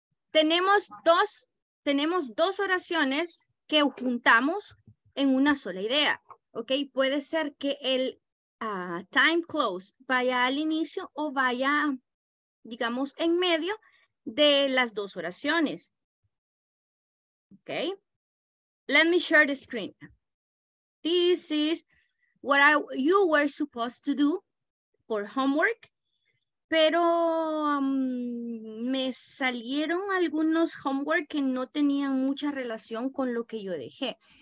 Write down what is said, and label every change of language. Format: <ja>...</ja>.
<es>Tenemos dos oraciones que juntamos en una sola idea, ¿ok? Puede ser que el time clause vaya al inicio o vaya, digamos, en medio de las dos oraciones, ¿ok?</es> <en>Let me share the screen. This is what you were supposed to do for homework.</en> <es>Pero me salieron algunos homework que no tenían mucha relación con lo que yo dejé.</es>